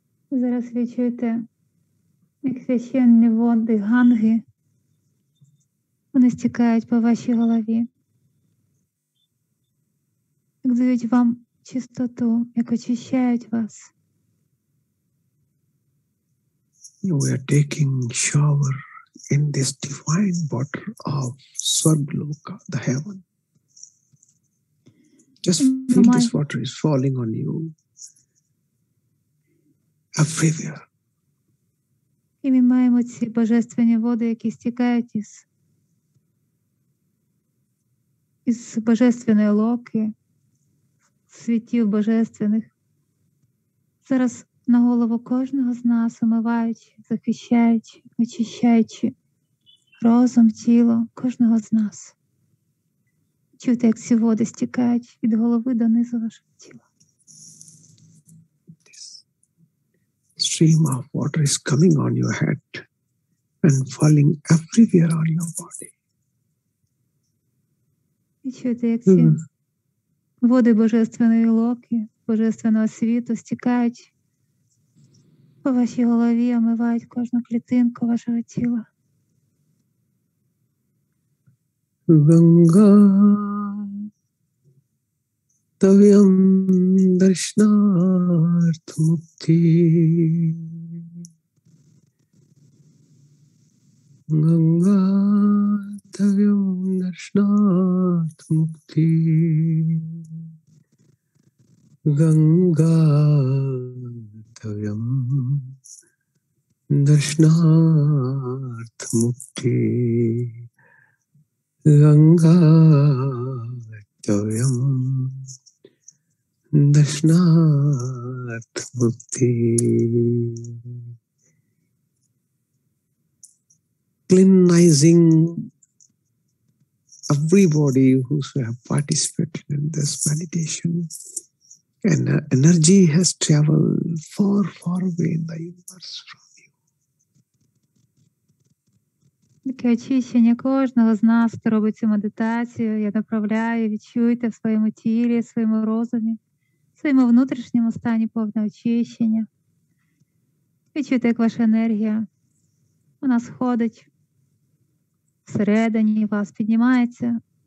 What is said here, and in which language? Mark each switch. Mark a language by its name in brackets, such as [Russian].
[Ukrainian] Зараз відчуєте, як священні води Ганги, вони стікають по вашій голові, як дають вам чистоту, як очищають вас. [English] We are taking shower in this divine water of Swargloka, the heaven. Just feel this water is falling on you. [Ukrainian] І ми маємо ці божественні води, які стікають із божественної локи, світів божественних. Зараз на голову кожного з нас омиваючи, захищаючи, очищаючи розум, тіло кожного з нас. Чути, як ці води стікають від голови до низу вашого тіла. [English] Stream of water is coming on your head and falling everywhere on your body. [Ukrainian] Води божественної локи, божественного світу стікають по вашій голові, омивають кожну клітинку вашого тіла. [Sanskrit] Ганга Тавьям Даршнарт Мукти. Ганга Тавьям Даршнарт Мукти. Ганга Тавьям Даршнарт Мукти. Ганга Тавьям Дашнат Мукти. [English] Cleansing everybody who have participated in this meditation, and energy has traveled far, far away in the universe from you. [Ukrainian] Таке очищення кожного з нас, хто робить цю медитацію, я направляю, відчуйте в своєму тілі, в своєму розумі, в своєму внутрішньому стані повне очищення. Відчуйте, як ваша енергія, вона сходить всередині вас, піднімається.